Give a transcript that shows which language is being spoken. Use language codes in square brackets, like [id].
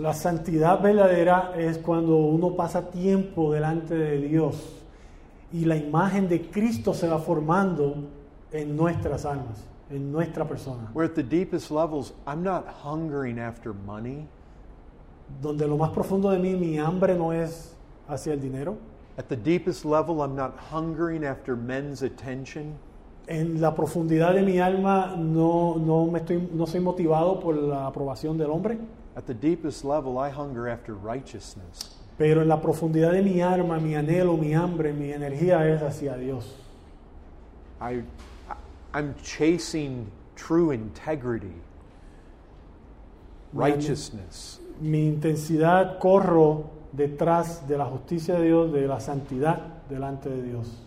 [es] La santidad verdadera es cuando uno pasa tiempo delante de Dios y la imagen de Cristo se va formando en nuestras almas, en nuestra persona. [en] Where at the deepest levels, I'm not hungering after money. [es] Donde lo más profundo de mí, mi hambre no es hacia el dinero. [en] At the deepest level, I'm not hungering after men's attention. [es] En la profundidad de mi alma no soy motivado por la aprobación del hombre. [en] At the deepest level, I hunger after righteousness. [es] Pero en la profundidad de mi alma, mi anhelo, mi hambre, mi energía es hacia Dios. [en] I'm chasing true integrity. Righteousness. [es] Mi intensidad corro detrás de la justicia de Dios, de la santidad delante de Dios.